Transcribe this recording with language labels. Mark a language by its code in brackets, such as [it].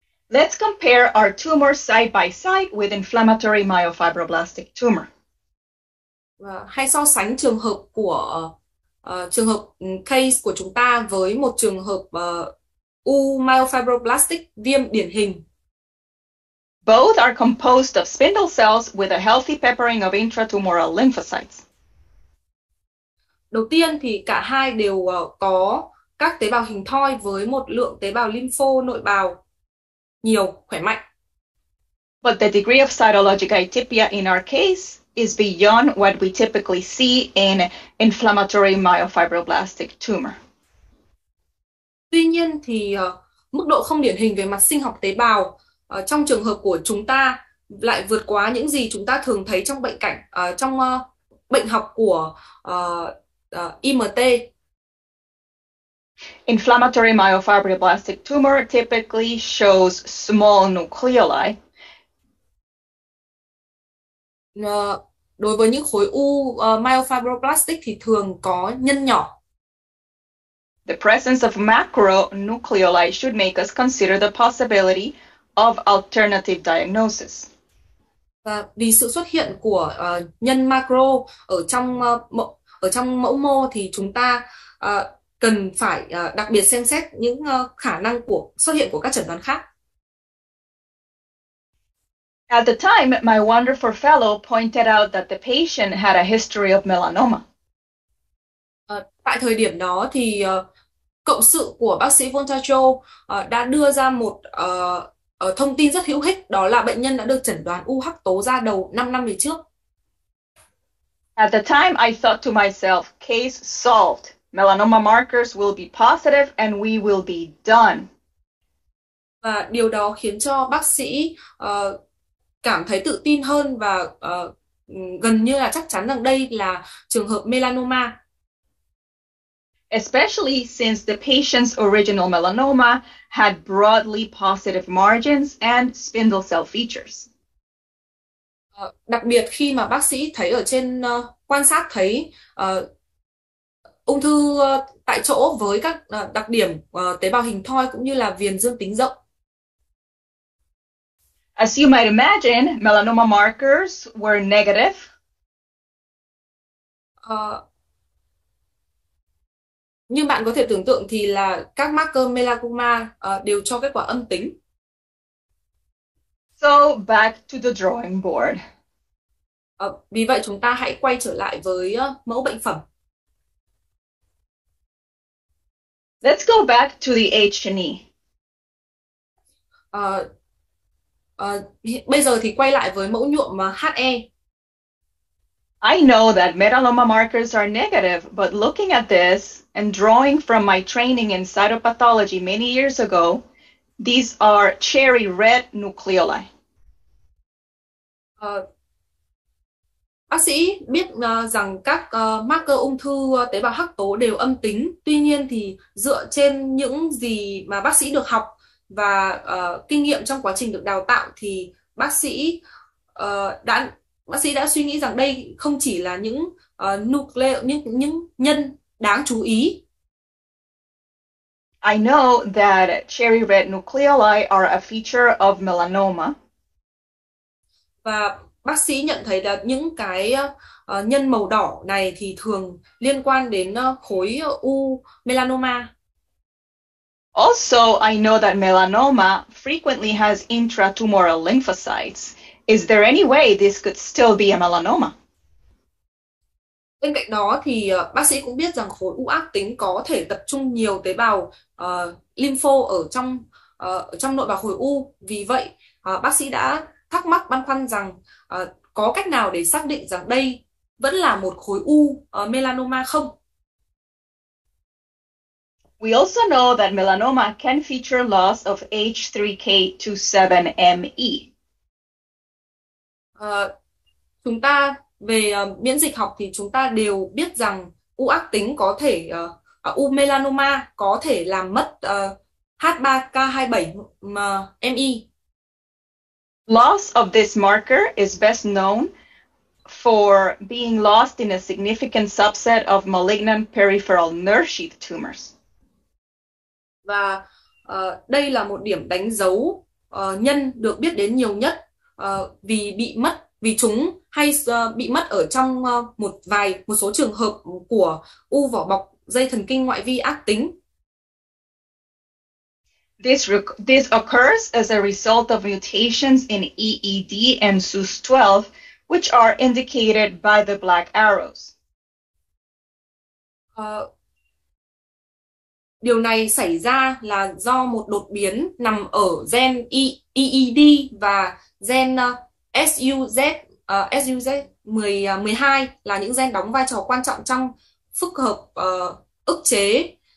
[en] Let's compare our tumor side by side with inflammatory myofibroblastic tumor. [vi] Hay so sánh trường hợp của trường hợp case của chúng ta với một trường hợp u myofibroblastic viêm điển hình. [en] Both are composed of spindle cells with a healthy peppering of intratumoral lymphocytes. [vi] Đầu tiên thì cả hai đều có các tế bào hình thoi với một lượng tế bào lympho nội bào nhiều, khỏe mạnh. [en] But the degree of cytologic atypia in our case is beyond what we typically see in inflammatory myofibroblastic tumor. [vi] Tuy nhiên thì mức độ không điển hình về mặt sinh học tế bào trong trường hợp của chúng ta lại vượt quá những gì chúng ta thường thấy trong bệnh cảnh trong bệnh học của IMT. [en] Inflammatory myofibroblastic tumor typically shows small nucleoli. [vi] Đối với những khối u myofibroblastic thì thường có nhân nhỏ. [en] The presence of macronucleoli should make us consider the possibility of alternative diagnosis. [vi] Và vì sự xuất hiện của nhân macro ở trong mẫu mô thì chúng ta cần phải đặc biệt xem xét những khả năng của xuất hiện của các chẩn đoán khác. [en] At the time, my wonderful fellow pointed out that the patient had a history of melanoma. [vi] Tại thời điểm đó thì cộng sự của bác sĩ Voltacho đã đưa ra một thông tin rất hữu ích, đó là bệnh nhân đã được chẩn đoán u hắc tố da đầu 5 năm về trước. [en] At the time, I thought to myself, case solved. Melanoma markers will be positive and we will be done. [vi] Và điều đó khiến cho bác sĩ cảm thấy tự tin hơn và gần như là chắc chắn rằng đây là trường hợp melanoma. [en] Especially since the patient's original melanoma had broadly positive margins and spindle cell features. [vi] Đặc biệt khi mà bác sĩ thấy ở trên quan sát thấy ung thư tại chỗ với các đặc điểm tế bào hình thoi cũng như là viền dương tính rộng. [en] As you might imagine, melanoma markers were negative. [vi] Như bạn có thể tưởng tượng thì là các marker melanoma đều cho kết quả âm tính. [en] So back to the drawing board. [vi] Vì vậy chúng ta hãy quay trở lại với mẫu bệnh phẩm. [en] Let's go back to the H&E. [vi] Bây giờ thì quay lại với mẫu nhuộm HE. [en] I know that melanoma markers are negative, but looking at this and drawing from my training in cytopathology many years ago, these are cherry red nucleoli. [vi] Bác sĩ biết rằng các marker ung thư tế bào hắc tố đều âm tính. Tuy nhiên thì dựa trên những gì mà bác sĩ được học và kinh nghiệm trong quá trình được đào tạo thì bác sĩ đã suy nghĩ rằng đây không chỉ là những nucleo những nhân đáng chú ý. [en] I know that cherry red nucleoli are a feature of melanoma. [vi] Và bác sĩ nhận thấy là những cái nhân màu đỏ này thì thường liên quan đến khối u melanoma. [en] Also, I know that melanoma frequently has intratumoral lymphocytes. Is there any way this could still be a melanoma? [vi] Bên cạnh đó thì bác sĩ cũng biết rằng khối u ác tính có thể tập trung nhiều tế bào lympho ở trong nội bào khối u. Vì vậy, bác sĩ đã thắc mắc băn khoăn rằng có cách nào để xác định rằng đây vẫn là một khối u melanoma không? [en] We also know that melanoma can feature loss of H3K27ME. [vi] Chúng ta về miễn dịch học thì chúng ta đều biết rằng u ác tính có thể u melanoma có thể làm mất H3K27ME. [en] Loss of this marker is best known for being lost in a significant subset of malignant peripheral nerve sheath tumors. [vi] Và đây là một điểm đánh dấu nhân được biết đến nhiều nhất vì bị mất vì chúng hay bị mất ở trong một số trường hợp của u vỏ bọc dây thần kinh ngoại vi ác tính. [en] This occurs as a result of mutations in EED and SUS12, which are indicated by the black arrows. [vi] Điều này xảy ra là do một đột biến nằm ở gen EED và gen SUZ12 là những gen đóng vai trò quan trọng trong phức hợp ức chế